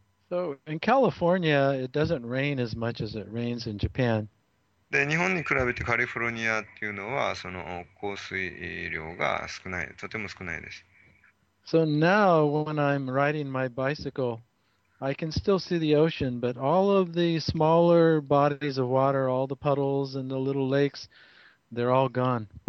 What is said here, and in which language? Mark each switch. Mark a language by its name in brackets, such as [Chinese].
[English] So in California, it doesn't rain as much as it rains in Japan. [Japanese] で、日本に比べてカリフォルニアっていうのは、その降水量が少ない、とても少ないです。 [English] So now, when I'm riding my bicycle, I can still see the ocean, but all of the smaller bodies of water, all the puddles and the little lakes, they're all gone.